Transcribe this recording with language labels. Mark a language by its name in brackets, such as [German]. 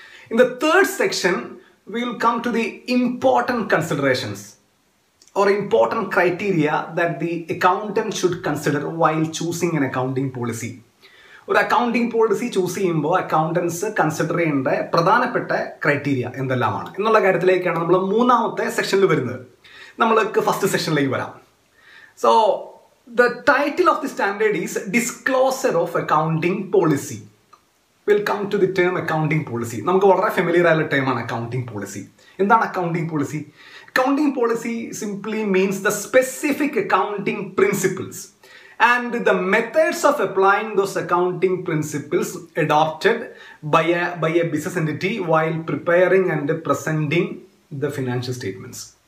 [English] In the third section, we will come to the important considerations or important criteria that the accountant should consider while choosing an accounting policy. [Malayalam] ഒരു accounting policy choose ചെയ്യുമ്പോൾ accountants consider ചെയ്യേണ്ട പ്രധാനപ്പെട്ട criteria എന്തെല്ലാമാണ് എന്നുള്ള കാര്യത്തിലേക്കാണ് നമ്മൾ മൂന്നാമത്തെ സെക്ഷനിൽ വരുന്നത്. നമ്മൾക്ക് ഫസ്റ്റ് സെക്ഷനിലേക്ക് വരാം. [English] So the title of the standard is disclosure of accounting policy. Welcome to the term accounting policy. [Malayalam] നമുക്ക് വളരെ ഫെമിലിയർ ആയുള്ള ടേമാണ് അക്കൗണ്ടിങ് പോളിസി. എന്താണ് accounting policy? Accounting policy simply means the specific accounting principles [English] and the methods of applying those accounting principles adopted by a business entity while preparing and presenting the financial statements.